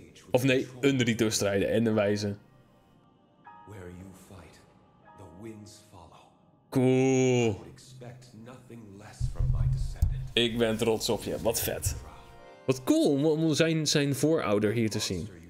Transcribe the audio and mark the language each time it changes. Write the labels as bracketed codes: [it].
[nl] Of nee, een Rito strijden en een wijze. [en] Where you fight, the winds follow. Cool. Expect nothing less from my descendant. [nl] Ik ben trots op je, wat vet. Wat cool om zijn voorouder hier te zien.